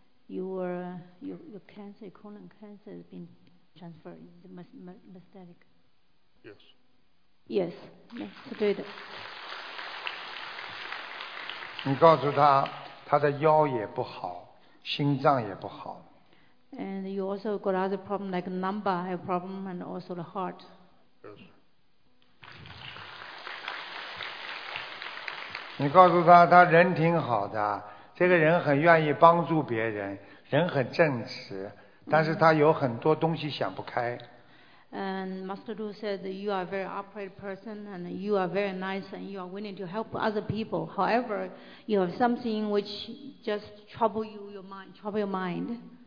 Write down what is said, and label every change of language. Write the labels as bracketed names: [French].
[English] Your cancer, colon cancer, has been transferred. Is it metastatic? Yes. Yes, [Chinese] 是对的。你告诉他，他的腰也不好，心脏也不好。 [English] And you also got other problem like lumbar have problem and also the heart. Yes. [Chinese] 你告诉他，他人挺好的，这个人很愿意帮助别人，人很正直，但是他有很多东西想不开。 [English] And Master Du said that you are a very upright person and you are very nice and you are willing to help other people. However, you have something which just trouble your mind.